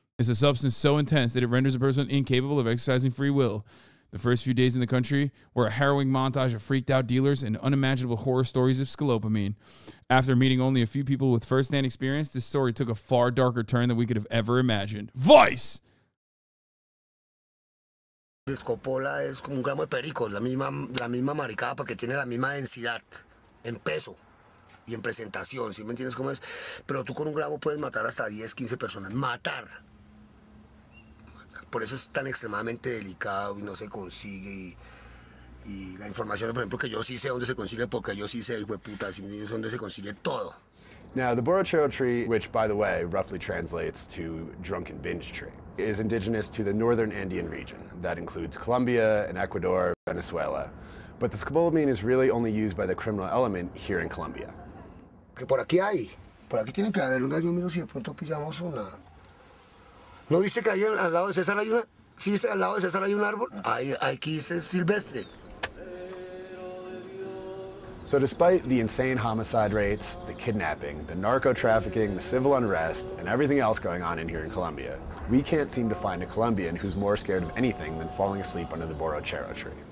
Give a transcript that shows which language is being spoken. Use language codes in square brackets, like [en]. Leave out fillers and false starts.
[en] It's a substance so intense that it renders a person incapable of exercising free will. The first few days in the country were a harrowing montage of freaked out dealers and unimaginable horror stories of scopolamine. After meeting only a few people with first-hand experience, this story took a far darker turn than we could have ever imagined. Vice! [es] Escopola es como un gramo de perico, la misma maricada porque tiene la misma densidad en peso y en presentación, ¿sí me entiendes cómo es? Pero tú con un gramo puedes matar hasta 10, 15 personas, matar. Por eso es tan extremadamente delicado y no se consigue y la información, por ejemplo, que yo sí sé dónde se consigue porque yo sí sé, hijo de puta, ¿sí me entiendes? Dónde se consigue todo. [en] Now, the borrachero tree, which, by the way, roughly translates to drunken binge tree, is indigenous to the northern Andean region. That includes Colombia and Ecuador, Venezuela. But the scopolamine is really only used by the criminal element here in Colombia. [es] Que por aquí hay. Por aquí tiene que haber un gallo mío si de pronto pillamos una. ¿No dice que ahí al lado de César hay una? Sí, al lado de César hay un árbol. Ahí, aquí dice silvestre. [en] So despite the insane homicide rates, the kidnapping, the narco-trafficking, the civil unrest, and everything else going on in here in Colombia, we can't seem to find a Colombian who's more scared of anything than falling asleep under the borrachero tree.